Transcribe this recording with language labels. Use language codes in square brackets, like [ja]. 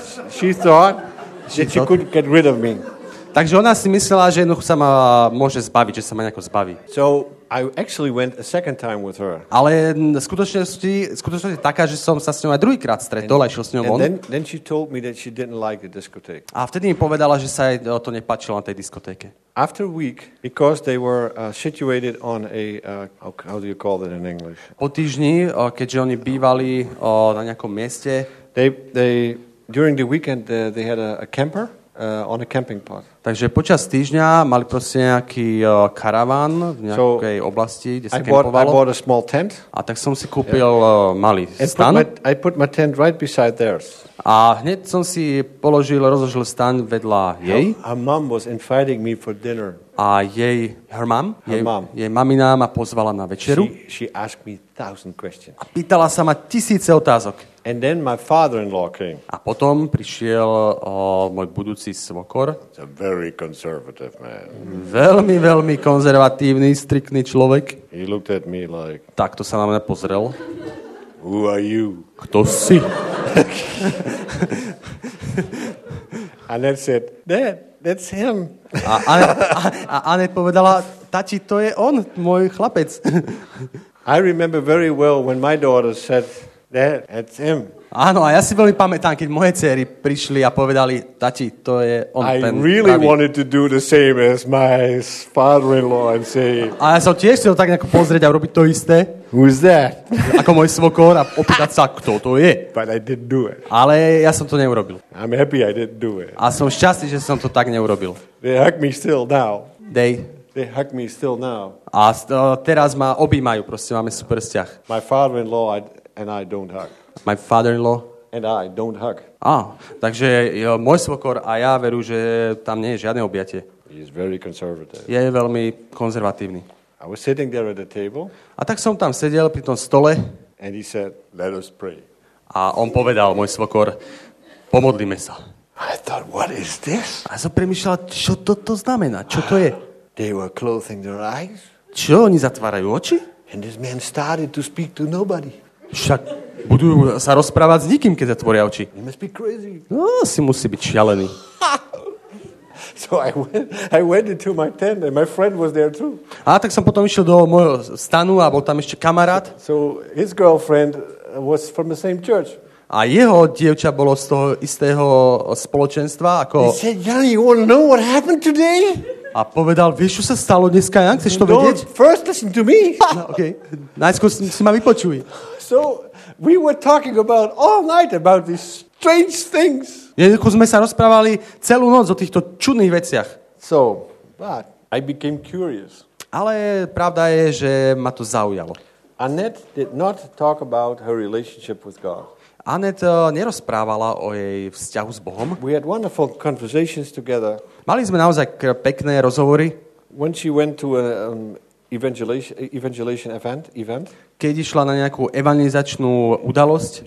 [en] She thought that she could get rid of me. [sk] Takže ona si myslela, že jednoducho sa ma môže zbaviť, že sa ma nejako zbaví. [en] So I actually went a second time with her. [sk] Ale skutočnosť je taká, že som sa s ňou aj druhýkrát stretol a išiel s ňou von. [en] Then she told me that she didn't like the discotheque. [sk] A vtedy mi povedala, že sa jej to nepáčilo na tej diskotéke. [en] After a week, because they were situated on a how do you call that in English? [sk] Po týždni, keďže oni bývali na nejakom mieste. [en] They during the weekend they had a camper on a camping plot. [sk] Takže počas týždňa mali proste nejaký karaván v nejakej oblasti, kde sa kempovalo. [en] I bought a small tent. [sk] A tak som si kúpil malý stan. [en] I put my tent right beside theirs. [sk] A hneď som si rozložil stan vedľa jej. [en] Her mom was inviting me for dinner. [sk] A jej, jej mamina ma pozvala na večeru. [en] She asked me 1000 questions. [sk] A pýtala sa ma tisíce otázok. [en] And then my father-in-law came. [sk] A potom prišiel môj budúci svokor. [en] He's a very conservative man. [sk] Veľmi, veľmi konzervatívny, striktný človek. [en] He looked at me like... [sk] Takto sa na mňa pozrel. [en] Who are you? [sk] Kto si? [en] And then said, Dad, that's him. [sk] A Anet povedala, tati, to je on, môj chlapec. [en] I remember very well when my daughter said... Dad, that's him. [sk] Áno, a ja si veľmi pamätám, keď moje dcery prišli a povedali: "Tati, to je on I ten." [en] I really [sk] pravý. [en] Wanted to do the same as my father-in-law and say. [sk] A ja som tiež chcel tak nejako pozrieť a robiť to isté. [en] Who is that? [sk] Ako môj svokor a opýtať sa, kto to je. [en] But I didn't do it. [sk] Ale ja som to neurobil. [en] I'm happy I didn't do it. [sk] A som šťastný, že som to tak neurobil. [en] They hug me still now. They hug me still now. [sk] A teraz ma objímajú, proste máme super vzťah. [en] My father-in-law and I don't hug. My father-in-law and I don't hug. [sk] Ah, takže jo, môj svokor a ja veru, že tam nie je žiadne objatie. [en] He is very conservative. [sk] Je veľmi konzervatívny. [en] I was sitting there at the table. [sk] A tak som tam sedel pri tom stole. [en] And he said, "Let us pray." [sk] A on povedal, môj svokor, pomodlíme sa. [en] I thought, what is this? [sk] A som premýšľal, čo to znamená, čo to je? [en] They were closing their eyes. [sk] Čo, oni zatvárajú oči? [en] And this man started to speak to nobody. [sk] Však budú sa rozprávať s nikým, keď zatvoria oči. [en] You must be crazy. [sk] No, si musí byť šialený. [en] So I went into my tent and my friend was there too. [sk] A tak som potom išiel do môjho stanu a bol tam ešte kamarát. [en] So his girlfriend was from the same church. [sk] A jeho dievča bolo z toho istého spoločenstva ako. [en] He said, "Johnny, you want to know what happened today?" [sk] A povedal, vieš, čo sa stalo dneska, Jan? Chceš to vedieť? [en] First listen to me. [sk] No, okay. Najskôr si ma vypočuj. [en] So we were talking about all night about these strange things. [sk] Jednoducho sme sa rozprávali celú noc o týchto čudných veciach. [en] So, but I became curious. [sk] Ale pravda je, že ma to zaujalo. [en] Annette did not talk about her relationship with God. [sk] Annette nerozprávala o jej vzťahu s Bohom. [en] We had wonderful conversations together. [sk] Mali sme naozaj pekné rozhovory. [en] When she went to an evangelization event. [sk] Keď išla na nejakú evangelizačnú udalosť.